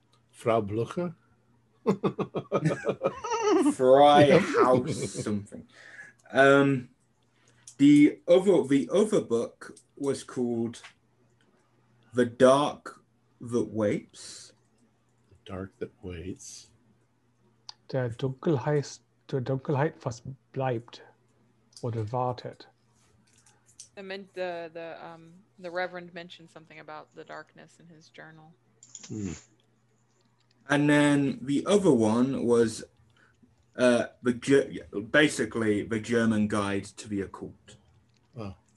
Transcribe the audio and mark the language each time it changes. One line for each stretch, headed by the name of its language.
English: Frau Blücher? Freihaus something. The other book was called The Dark That Waits. The Dark That Waits.
German: Der Dunkelheit was bleibt oder wartet.
English: The Reverend mentioned something about the darkness in his journal. Mm. And then the other one was basically the German Guide to the Occult. Oh.